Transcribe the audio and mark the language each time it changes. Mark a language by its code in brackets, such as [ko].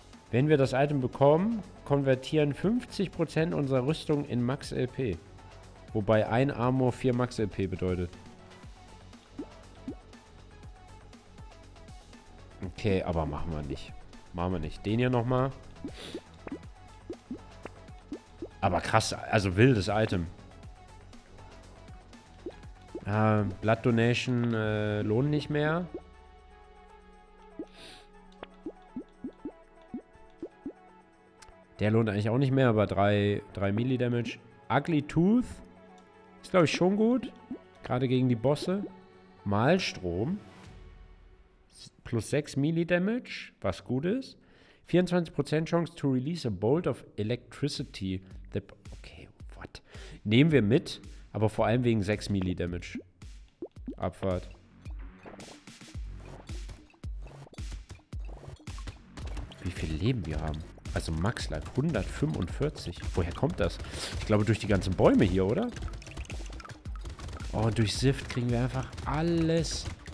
[de] Wenn wir das Item bekommen, konvertieren 50% unserer Rüstung in Max LP. Wobei ein Armor 4 Max LP bedeutet. Okay, aber machen wir nicht. Machen wir nicht. Den hier nochmal. Aber krass, also wildes Item. Blood Donation lohnt nicht mehr. Der lohnt eigentlich auch nicht mehr, aber 3 Melee Damage. Ugly Tooth ist, glaube ich, schon gut. Gerade gegen die Bosse. Malstrom plus 6 Melee Damage, was gut ist. [en] 24% Chance to release a bolt of electricity. Okay, what? [de] Nehmen wir mit, aber vor allem wegen 6 Melee Damage. Abfahrt. Wie viel Leben wir haben? Also Max Life 145. Woher kommt das? Ich glaube durch die ganzen Bäume hier, oder? Oh, durch Sift kriegen wir einfach alles.